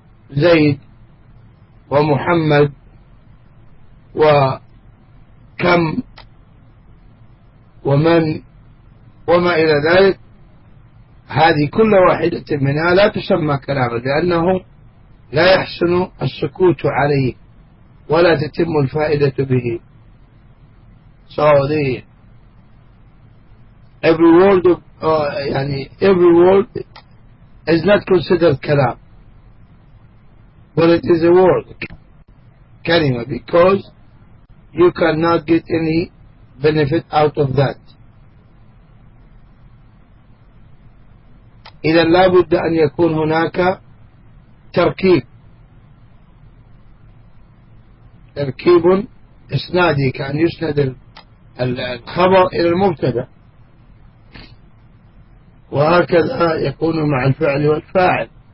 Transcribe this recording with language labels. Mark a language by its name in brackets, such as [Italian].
[Arabic] زيد ومحمد وكم ومن وما إلى ذلك، هذه كل واحدة منها لا تسمى كلاما لأنه لا يحسن السكوت عليه ولا تتم الفائدة به. سعودي [English] every word [Arabic] يعني [English] every word is not considered كلام but it is a word كلمة because you cannot get any benefit out of that. [Arabic] إذا لابد أن يكون هناك تركيب، تركيب إسنادي كأن يسند الخبر إلى المبتدأ، وهكذا يكون مع الفعل والفاعل.